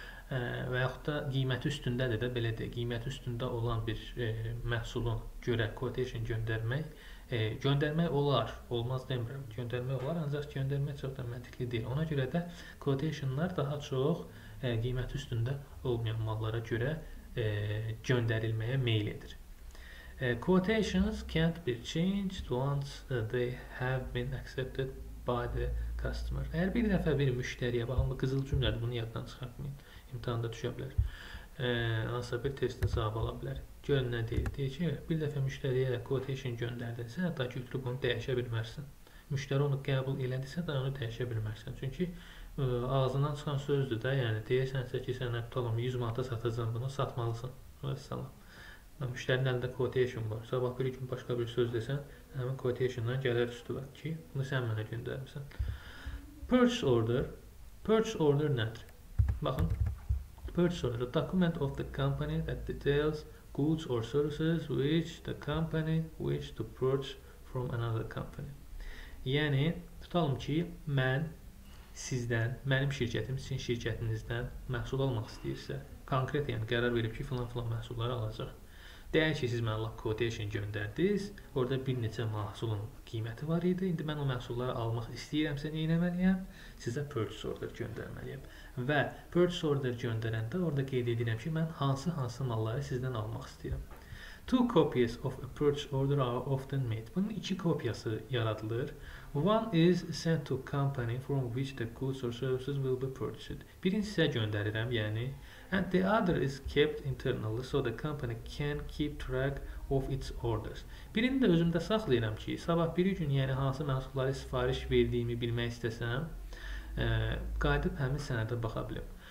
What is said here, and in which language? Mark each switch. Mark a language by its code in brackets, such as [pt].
[az] Və yaxud da qiyməti üstündədir də, belə deyək, qiyməti üstündə olan bir məhsulun görə quotation göndərmək, göndərmək olar, olmaz demirəm. Göndərmək olar, ancaq göndərmək çox da məntiqli deyil. Ona görə də quotationlar daha çox qiymət üstündə olmayan mallara görə göndərilməyə meyil edir. [en] Quotations can't be changed once they have been accepted by the customer. [tr] Eğer bir defa bir müşteriye, bakın [az] bu kızıl cümlədir, bunu yaddan çıxartmayın. İmtihanda düşə bilər. Nasıl bir testin cavabı ala bilər. Görün nə deyir. Deyir ki, bir dəfə müştəriyə quotation göndərdinsə, hətta götürüb onu dəyişə bilməzsən. Müştəri onu qəbul elədisə, da onu dəyişə bilməzsən. Çünki ağzından çıxan sözdür də, yəni deyirsənsə ki, sənə tutalım 100 manata satacağım bunu, satmalısın. Vəssalam. Müştərinin əlində quotation var. Sabah bir gün başqa bir söz desən, həmin quotationdan gəlir üstü var ki, bunu sən mənə göndərmisən. Purchase order. Purchase order nədir? [en] Baxın, purchase order, the document of the company that details goods or services which the company wish to purchase from another company. [az] Yəni, tutalım ki, mən sizdən, mənim şirkətim sizin şirkətinizdən məhsul almaq istəyirsə, konkret yəni qərar verib ki, filan filan məhsulları alacaq. Deyək ki, siz mənə lap quotation göndərdiniz, orada bir neçə məhsulun qiyməti var idi, indi mən o məhsulları almaq istəyirəmsə, nə etməliyəm? Sizə purchase order göndərməliyəm. Və purchase order göndərəndə orada qeyd edirəm ki, mən hansı-hansı malları sizdən almaq istəyirəm. [en] Two copies of a purchase order are often made. [az] Bunun iki kopyası yaradılır. [en] One is sent to company from which the goods or services will be purchased. [az] Birini sizə göndərirəm, yəni. [en] And the other is kept internally so the company can keep track of its orders. [az] Birini də özümdə saxlayıram ki, sabah bir gün yəni hansı məhsulları sifariş verdiyimi bilmək istəsəm, qayıdıb həmin sənədə baxa bilim.